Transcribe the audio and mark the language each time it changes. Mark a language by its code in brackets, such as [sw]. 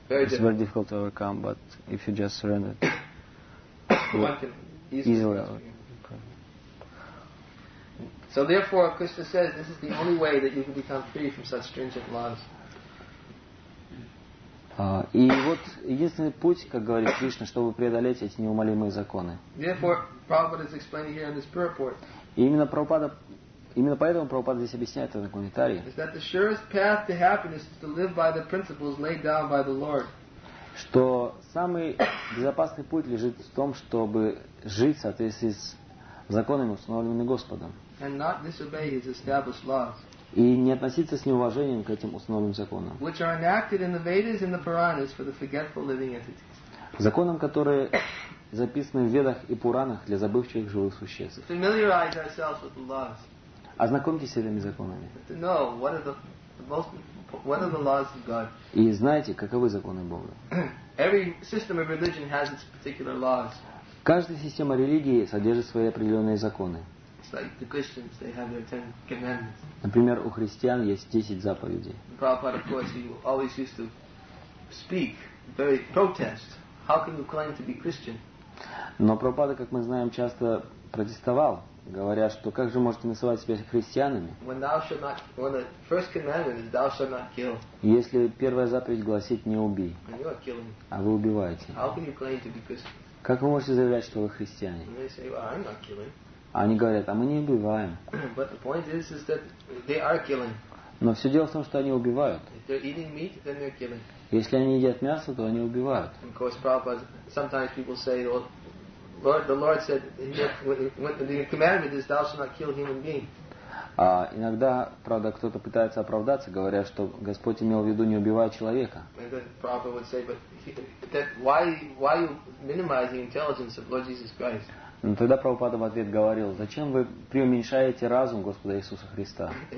[en] It's very difficult to overcome, but if you just surrender it, easily. So therefore, Krishna says this is the only way that you can become free from such stringent laws. [ru] И вот единственный путь, как говорит Кришна, чтобы преодолеть эти неумолимые законы. [en] Therefore, Prabhupada is explaining here in this purport. [ru] Именно поэтому Прабхупада здесь объясняет это в комментарии. [en] Is that the surest path to happiness is to live by the principles laid down by the Lord? [ru] Что самый безопасный путь лежит в том, чтобы жить в соответствии с законами, установленными Господом. [en] And not disobey His established laws. [ru] И не относиться с неуважением к этим установленным законам. [en] Which are enacted in the Vedas and the Puranas for the forgetful living entities. [ru] Законам, которые записаны в Ведах и Пуранах для забывчивых живых существ. [en] Familiarize ourselves with the laws. [ru] Ознакомьтесь с этими законами. [en] To know what are the laws of God. [ru] И знайте, каковы законы Бога. [en] Every system of religion has its particular laws. [ru] Каждая система религии содержит свои определенные законы. [en] It's like the Christians, they have their 10 commandments. [ru] Например, у христиан есть 10 заповедей. [en] Prabhupada, of course, he always used to speak, very protest. How can you claim to be Christian? [ru] Но Прабхупада, как мы знаем, часто протестовал, говоря, что как же можете называть себя христианами? [en] When thou shalt not, when the first commandment is thou shalt not kill. [ru] Если первая заповедь гласит не убий, [en] and you are killing. [ru] А вы убиваете. [en] How can you claim to be Christian? [ru] Как вы можете заявлять, что вы христиане? [en] And they say, well, I'm not killing. [ru] Они говорят, а мы не убиваем. [en] But the point is that they are killing. [ru] Но все дело в том, что они убивают. [en] If they're eating meat, then they're killing. [ru] Если они едят мясо, то они убивают. [en] And of course, Prabhupada, sometimes people say, well, Lord, the Lord said, the commandment is thou shalt not kill human being. [ru] А иногда, правда, кто-то пытается оправдаться, говоря, что Господь имел в виду не убивая человека. [en] And then Prabhupada would say, but that why are you minimizing intelligence of Lord Jesus Christ? [ru] Но тогда Прабхупада в ответ говорил, зачем вы преуменьшаете разум Господа Иисуса Христа?